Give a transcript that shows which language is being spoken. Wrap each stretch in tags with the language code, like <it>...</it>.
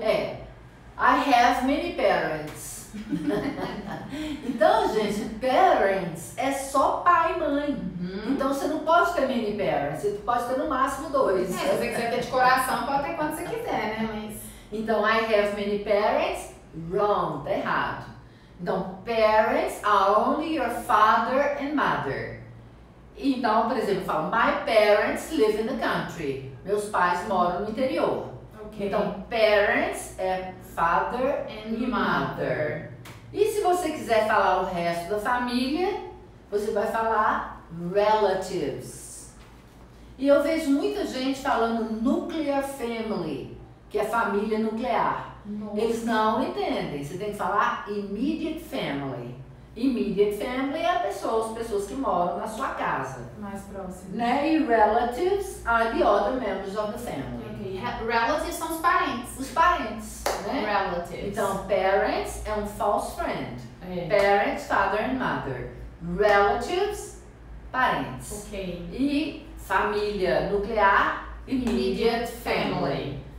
<pt>É.</pt> <en>I have many parents.</en> <pt>Então, gente, parents é só pai e mãe. Então, você não pode ter many parents, você pode ter no máximo dois. É, se você quiser ter de coração, pode ter quanto você quiser, né? Mas... Então,</pt> <en>I have many parents, wrong,</en> <pt>tá errado. Então,</pt> <en>parents are only your father and mother.</en> <pt>Então, por exemplo, fala,</pt> <en>my parents live in the country.</en> <pt>Meus pais moram no interior. Okay. Então,</pt> <en>parents é father and mother.</en> <pt>E se você quiser falar o resto da família, você vai falar relatives. E eu vejo muita gente falando nuclear family, que é família nuclear. Nossa. Eles não entendem. Você tem que falar</pt> <en>immediate family.</en> <pt>Immediate family é as pessoas que moram na sua casa. Mais próximo. Né?</pt> <en>E relatives are the other members of the family.</en> <pt>Okay. Relatives são os parentes. Os parentes. Né?</pt> <en>Relatives.</en> <pt>Então, parents é um false friend. É.</pt> <en>Parents, father and mother. Relatives, parents. Ok.</en> <pt>E família nuclear,</pt> <en>immediate family.</en>